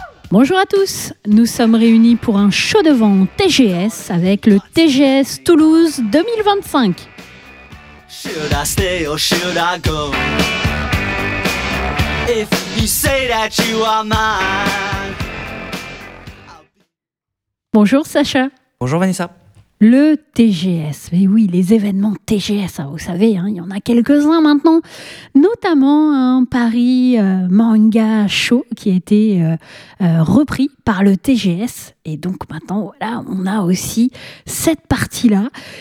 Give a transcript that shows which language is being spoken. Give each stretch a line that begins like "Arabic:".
French: Bonjour à tous, nous sommes réunis pour un show de vent TGS avec le TGS Toulouse 2025.
English: Should I stay or should I go? If you say that you are mine.
French: Bonjour Sacha. Bonjour Vanessa. Le TGS, mais oui, les événements TGS, vous savez, hein, il y en a quelques-uns maintenant, notamment un Paris Manga Show qui a été repris par le TGS. Et donc maintenant, voilà, on a aussi cette partie-là.